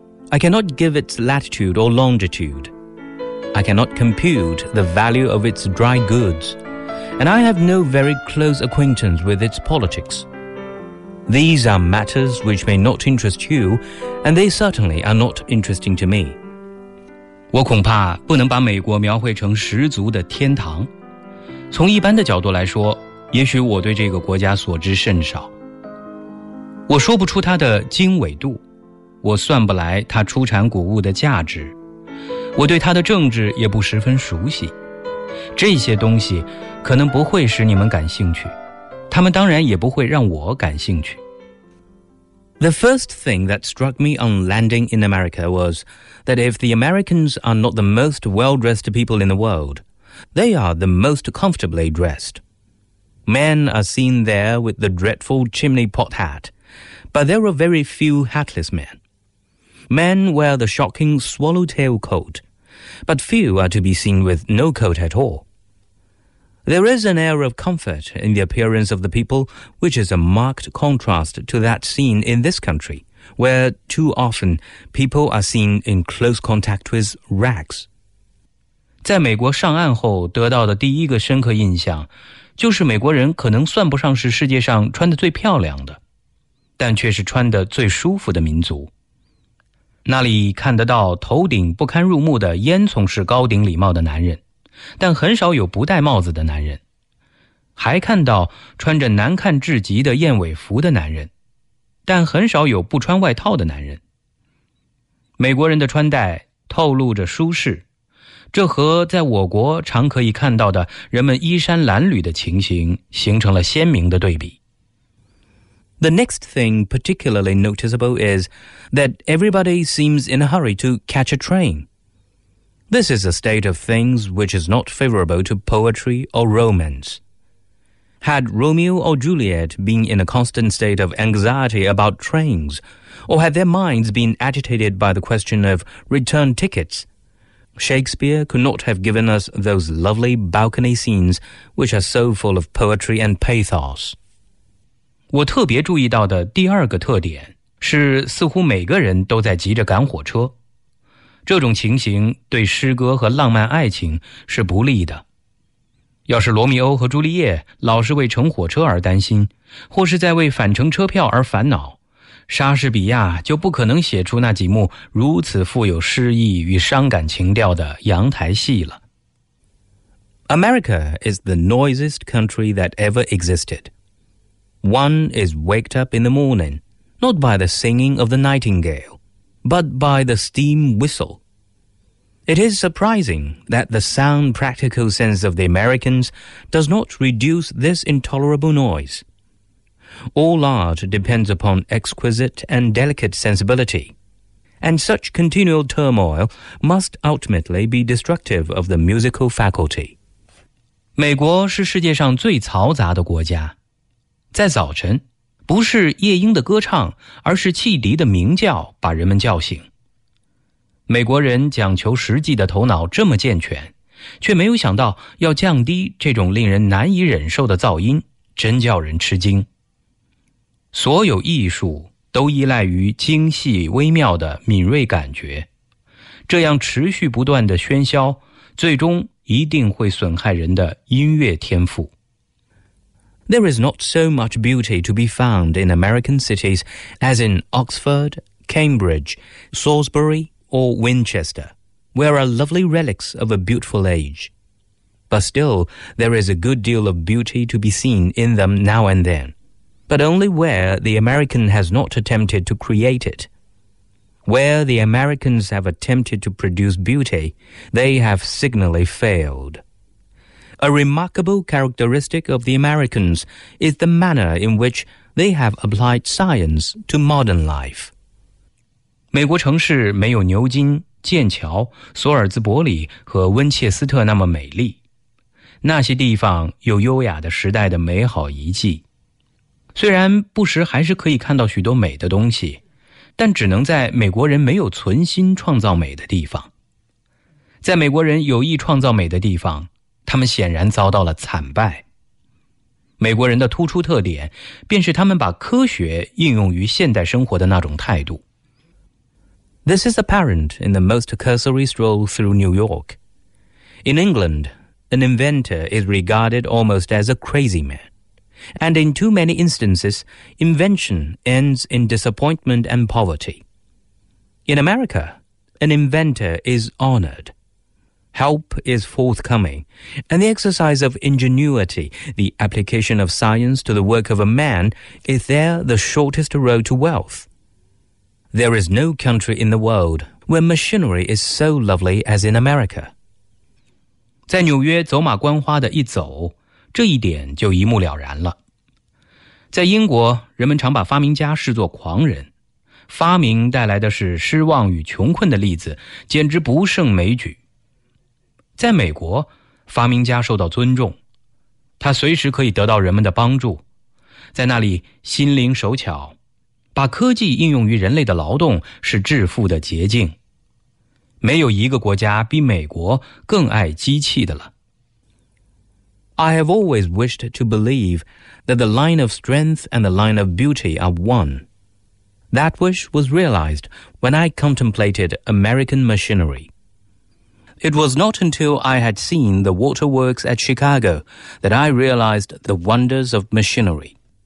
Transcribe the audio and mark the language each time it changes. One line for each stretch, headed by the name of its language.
English: I cannot give its latitude or longitude. I cannot compute the value of its dry goods, and I have no very close acquaintance with its politics. These are matters which may not interest you, and they certainly are not interesting to me.
Chinese: 我恐怕不能把美国描绘成十足的天堂。从一般的角度来说，也许我对这个国家所知甚少，我说不出它的经纬度，我算不来它出产谷物的价值，我对它的政治也不十分熟悉，这些东西可能不会使你们感兴趣，他们当然也不会让我感兴趣。
English: The first thing that struck me on landing in America was that if the Americans are not the most well-dressed people in the world, they are the most comfortably dressed. Men are seen there with the dreadful chimney pot hat, but there are very few hatless men. Men wear the shocking swallowtail coat, but few are to be seen with no coat at all. There is an air of comfort in the appearance of the people, which is a marked contrast to that seen in this country, where too often people are seen in close contact with rags.
Chinese: 在美国上岸后得到的第一个深刻印象，就是美国人可能算不上是世界上穿得最漂亮的，但却是穿得最舒服的民族。那里看得到头顶不堪入目的烟囱式高顶礼帽的男人，但很少有不戴帽子的男人，还看到穿着难看至极的燕尾服的男人，但很少有不穿外套的男人。美国人的穿戴透露着舒适，这和在我国常可以看到的人们衣衫褴褛的情形形成了鲜明的对比。
English: The next thing particularly noticeable is that everybody seems in a hurry to catch a train. This is a state of things which is not favorable to poetry or romance. Had Romeo or Juliet been in a constant state of anxiety about trains, or had their minds been agitated by the question of return tickets, Shakespeare could not have given us those lovely balcony scenes which are so full of poetry and pathos.
Chinese: 我特别注意到的第二个特点是似乎每个人都在急着赶火车。这种情形对诗歌和浪漫爱情是不利的。要是罗密欧和朱丽叶老是为乘火车而担心，或是在为返程车票而烦恼，莎士比亚就不可能写出那几幕如此富有诗意与伤感情调的阳台戏了。
English: America is the noisiest country that ever existed. One is waked up in the morning, not by the singing of the nightingale,but by the steam whistle. It is surprising that the sound practical sense of the Americans does not reduce this intolerable noise. All art depends upon exquisite and delicate sensibility, and such continual turmoil must ultimately be destructive of the musical faculty.
Chinese: 美国是世界上最嘈杂的国家。在早晨，不是夜莺的歌唱，而是汽笛的鸣叫把人们叫醒。美国人讲求实际的头脑这么健全，却没有想到要降低这种令人难以忍受的噪音，真叫人吃惊。所有艺术都依赖于精细微妙的敏锐感觉，这样持续不断的喧嚣，最终一定会损害人的音乐天赋。
English: There is not so much beauty to be found in American cities as in Oxford, Cambridge, Salisbury, or Winchester, where are lovely relics of a beautiful age. But still, there is a good deal of beauty to be seen in them now and then, but only where the American has not attempted to create it. Where the Americans have attempted to produce beauty, they have signally failed. A remarkable characteristic of the Americans is the manner in which they have applied science to modern life.
Chinese: 美国城市没有牛津、剑桥、索尔兹伯里和温切斯特那么美丽。那些地方有优雅的时代的美好遗迹。虽然不时还是可以看到许多美的东西，但只能在美国人没有存心创造美的地方。在美国人有意创造美的地方，他们显然遭到了惨败。美国人的突出特点便是他们把科学应用于现代生活的那种态度。
English: This is apparent in the most cursory stroll through New York. In England, an inventor is regarded almost as a crazy man. And in too many instances, invention ends in disappointment and poverty. In America, an inventor is honored. Help is forthcoming, and the exercise of ingenuity, the application of science to the work of a man, is there the shortest road to wealth. There is no country in the world where machinery is so lovely as in America.
Chinese: 在纽约走马观花的一走，这一点就一目了然了。在英国，人们常把发明家视作狂人，发明带来的是失望与穷困的例子简直不胜枚举。在美国，发明家受到尊重，他随时可以得到人们的帮助，在那里心灵手巧，把科技应用于人类的劳动是致富的捷径。没有一个国家比美国更爱机器的了。
English: I have always wished to believe that the line of strength and the line of beauty are one. That wish was realized when I contemplated American machinery. It was not until I had seen the waterworks at Chicago that I realized the wonders of machinery.